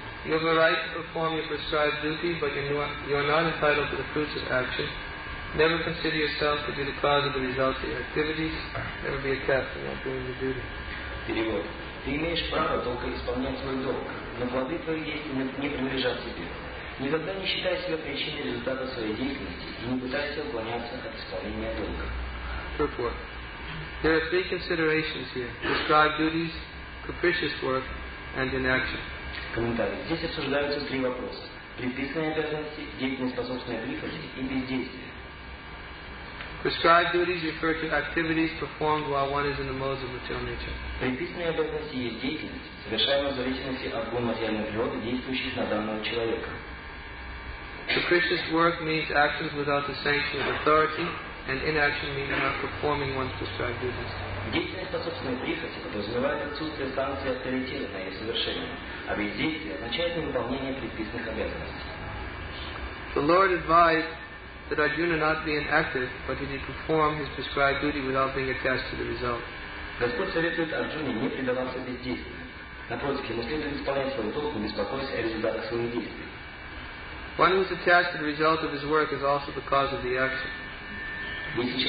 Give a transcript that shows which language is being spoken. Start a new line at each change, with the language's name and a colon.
English: You have a right to perform your prescribed duty, but you are not entitled to the fruits of action. Never consider yourself to be the cause of the results of your activities. Never be a captain while doing your duty.
Russian: Перевод. Ты имеешь право только исполнять свой долг, но плоды твои действия не принадлежат тебе. Никогда не считай себя причиной результата своей деятельности и не пытайся уклоняться от исполнения долга.
English: Purport. There are three considerations here. Prescribed duties, capricious work, and inaction.
Russian: Комментарий. Здесь обсуждаются три вопроса. Предписанные обязанности, деятельность, способственная прихоти и бездействие.
English: Prescribed duties refer to activities performed while one is in the modes of material nature.
Russian: Предписанные обязанности есть деятельность, совершаемая в зависимости от двух материальных природ, действующих на данного человека.
English: Capricious work means actions without the sanction of authority, and inaction means not performing one's prescribed duties.
Russian: Деятельность по собственной прихоти подразумевает отсутствие санкции авторитета на ее совершение, а бездействие означает невыполнение предписанных обязанностей.
English: The Lord advised that Arjuna not be inactive, but he did perform his prescribed duty without being attached to the result.
Russian: Господь советует Арджуне не предаваться бездействию. Напротив, ему следует исполнять свой долг, не беспокоясь о результатах своих действий.
English: One who is attached to the result of his work is also the cause of the action.